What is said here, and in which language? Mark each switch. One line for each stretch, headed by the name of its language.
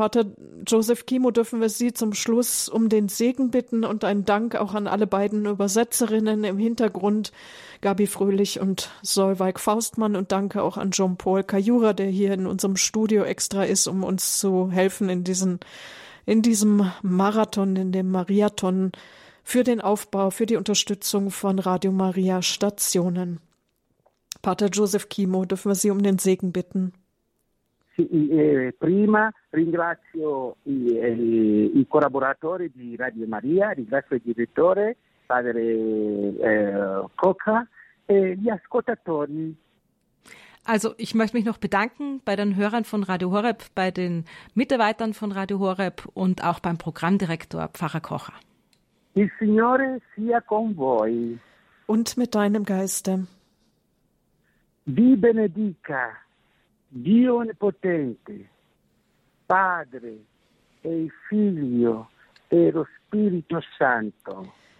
German: Pater Joseph Kimo, dürfen wir Sie zum Schluss um den Segen bitten und einen Dank auch an alle beiden Übersetzerinnen im Hintergrund, Gabi Fröhlich und Solveig Faustmann, und danke auch an Jean-Paul Cajura, der hier in unserem Studio extra ist, um uns zu helfen in diesem Marathon, in dem Mariathon, für den Aufbau, für die Unterstützung von Radio Maria Stationen. Pater Joseph Kimo, dürfen wir Sie um den Segen bitten?
Italian: Prima ringrazio i collaboratori di Radio Maria, ringrazio il direttore, padre Coca e gli ascoltatori.
German: Also ich möchte mich noch bedanken bei den Hörern von Radio Horeb, bei den Mitarbeitern von Radio Horeb und auch beim Programmdirektor Pfarrer Kocher.
Italian: Il Signore sia con voi.
German: Und mit deinem Geiste.
Italian: Vi benedica Dio onnipotente, Padre e Figlio e lo Spirito Santo.